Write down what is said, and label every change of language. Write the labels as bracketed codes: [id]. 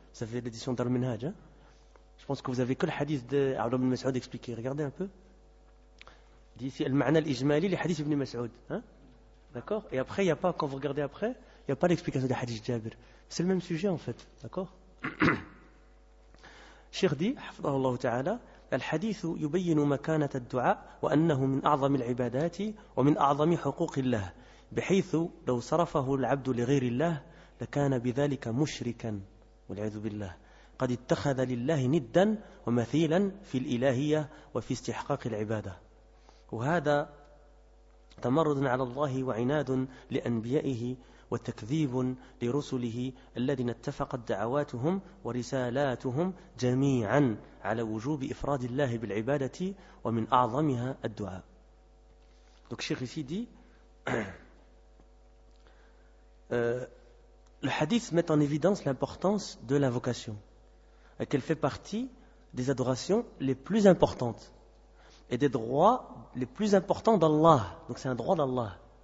[fr] Vous avez l'édition d'Al-Minhaj, hein? Je pense que vous avez que le hadith d'Abdullah ibn Mas'ud expliqué. Regardez un peu. Il dit ici, Al-Ma'na al-Ijmali, les hadiths, Ibn Mas'ud. Hein? D'accord? Et après, il n'y a pas, quand vous regardez après, il n'y a pas l'explication des hadiths Jabir. C'est le même sujet, en fait. D'accord? Cheikh dit, [ar] Hafidhahullah ta'ala, الحديث يبين مكانة الدعاء وأنه من أعظم العبادات ومن أعظم حقوق الله بحيث لو صرفه العبد لغير الله لكان بذلك مشركا والعياذ بالله قد اتخذ لله ندا ومثيلا في الإلهية وفي استحقاق العبادة وهذا تمرد على الله وعناد لأنبيائه وتكذيب لرسله الذين اتفقت دعواتهم ورسالاتهم جميعا على وجوب إفراد الله بالعبادة ومن أعظمها الدعاء. [fr] Donc Cheikh ici dit le hadith met en évidence l'importance de l'invocation, qu'elle fait partie des adorations les plus importantes et des droits les plus importants d'Allah. Donc c'est un droit d'Allah.